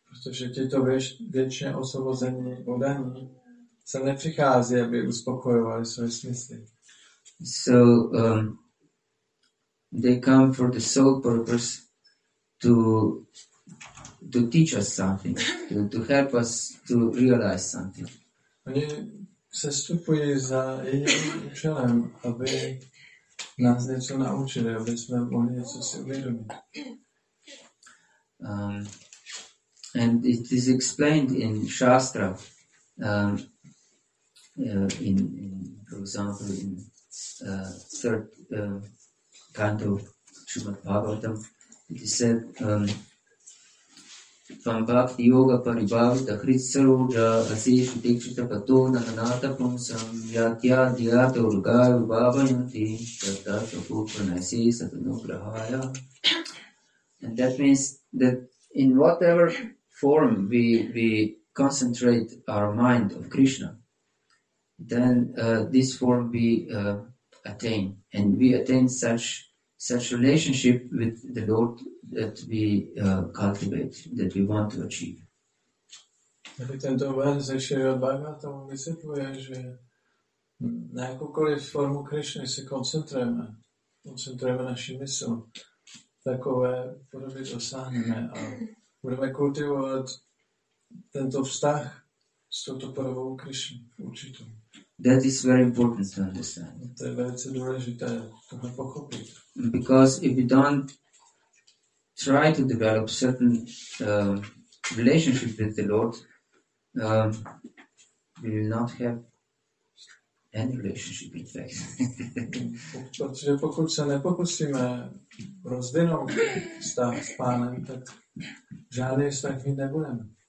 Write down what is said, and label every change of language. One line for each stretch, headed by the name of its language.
Czech: Protože tyto věčně osvobození oddaní se nepřichází, aby uspokojovali své smysly.
English: So they come for the sole purpose to teach us something, to help us to realize something.
Czech: Oni sestupují za jediným účelem, aby nás něco naučili, aby jsme mohli něco si uvědomit.
English: And it is explained in Shastra, in for example, in third canto of Srimad Bhagavatam, it is said,
Sanskrit: Tvam bhakti yoga paribhavita hrit saroja asish dikshita pato nananata pumsam yatya diyata urgayu bhavayanti tata tapupana asish atanugrahaya.
English: And that means that in whatever form we concentrate our mind of Krishna, then this form we attain. And we attain such relationship with the Lord that we cultivate, that we want to achieve.
Czech: Tento verš ze Šrimad Bhagavatam vysvětluje, že na jakoukoliv formu Krishna se koncentrujeme naši mysl. Takové podobě dosáhneme a budeme kultivovat tento vztah s touto podobou Krishna určitou.
English: That is very important to understand.
Czech: To je velice důležité tohle pochopit.
English: Because if you don't try to develop certain relationship with the Lord, we will not have any relationship in fact.
Czech: Protože pokud se nepokusíme rozvinout vztah s Pánem, tak žádný vztah mít nebudeme.